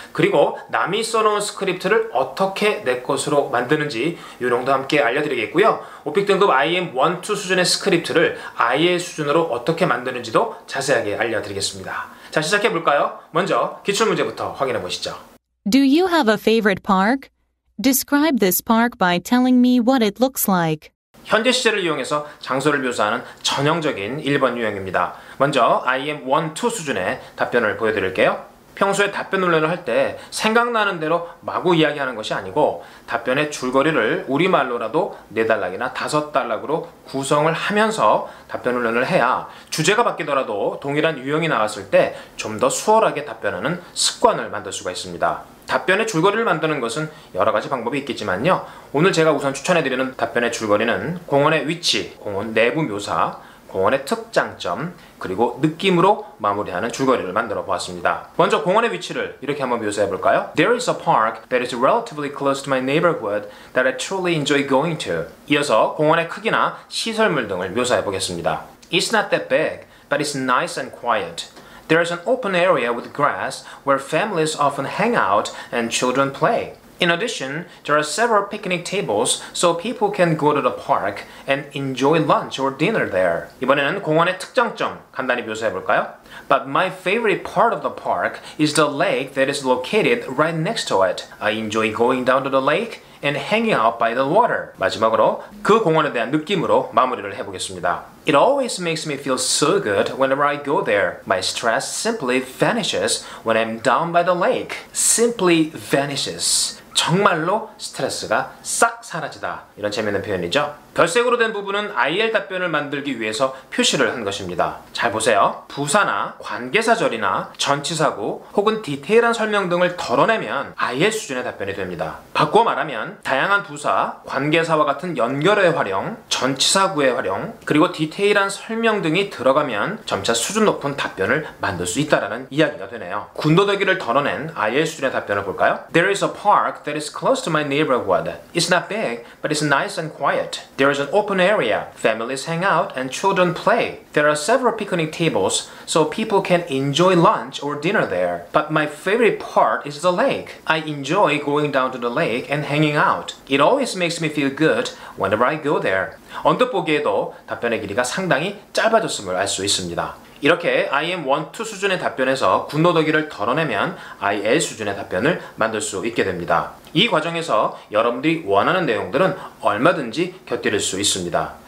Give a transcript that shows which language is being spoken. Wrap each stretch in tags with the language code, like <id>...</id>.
<ko>그리고 남이 써놓은 스크립트를 어떻게 내 것으로 만드는지 요령도 함께 알려드리겠고요. 오픽 등급 IM1, 2 수준의 스크립트를 IL 수준으로 어떻게 만드는지도 자세하게 알려드리겠습니다. 자, 시작해 볼까요? 먼저 기출문제부터 확인해 보시죠.</ko> <en>Do you have a favorite park? Describe this park by telling me what it looks like.</en> <ko>현재 시제를 이용해서 장소를 묘사하는 전형적인 1번 유형입니다. 먼저 IM1, 2 수준의 답변을 보여드릴게요. 평소에 답변 훈련을 할 때 생각나는 대로 마구 이야기하는 것이 아니고 답변의 줄거리를 우리말로라도 4달락이나 5달락으로 구성을 하면서 답변 훈련을 해야 주제가 바뀌더라도 동일한 유형이 나왔을 때 좀 더 수월하게 답변하는 습관을 만들 수가 있습니다. 답변의 줄거리를 만드는 것은 여러 가지 방법이 있겠지만요. 오늘 제가 우선 추천해드리는 답변의 줄거리는 공원의 위치, 공원 내부 묘사, 공원의 특장점, 그리고 느낌으로 마무리하는 줄거리를 만들어 보았습니다. 먼저 공원의 위치를 이렇게 한번 묘사해 볼까요?</ko> <en>There is a park that is relatively close to my neighborhood that I truly enjoy going to.</en> <ko>이어서 공원의 크기나 시설물 등을 묘사해 보겠습니다.</ko> <en>It's not that big, but it's nice and quiet. There is an open area with grass where families often hang out and children play. In addition, there are several picnic tables so people can go to the park and enjoy lunch or dinner there.</en> <ko>이번에는 공원의 특장점 간단히 묘사해 볼까요?</ko> <en>But my favorite part of the park is the lake that is located right next to it. I enjoy going down to the lake and hanging out by the water.</en> <ko>마지막으로 그 공원에 대한 느낌으로 마무리를 해보겠습니다.</ko> <en>It always makes me feel so good whenever I go there. My stress simply vanishes when I'm down by the lake. Simply vanishes.</en> <ko>정말로 스트레스가 싹 사라지다. 이런 재미있는 표현이죠. 별색으로 된 부분은 IL 답변을 만들기 위해서 표시를 한 것입니다. 잘 보세요. 부사나 관계사절이나 전치사구 혹은 디테일한 설명 등을 덜어내면 IL 수준의 답변이 됩니다. 바꿔 말하면 다양한 부사, 관계사와 같은 연결어의 활용, 전치사구의 활용, 그리고 디테일한 설명 등이 들어가면 점차 수준 높은 답변을 만들 수 있다라는 이야기가 되네요. 군더더기를 덜어낸 IL 수준의 답변을 볼까요?</ko> <en>There is a park that is close to my neighborhood. It's not big, but it's nice and quiet. There is an open area. Families hang out and children play. There are several picnic tables, so people can enjoy lunch or dinner there. But my favorite part is the lake. I enjoy going down to the lake and hanging out. It always makes me feel good whenever I go there.</en> <ko>언뜻 보기에도 답변의 길이가 상당히 짧아졌음을 알 수 있습니다. 이렇게 IM 1, 2 수준의 답변에서 군더더기를 덜어내면 IL 수준의 답변을 만들 수 있게 됩니다. 이 과정에서 여러분들이 원하는 내용들은 얼마든지 곁들일 수 있습니다.</ko>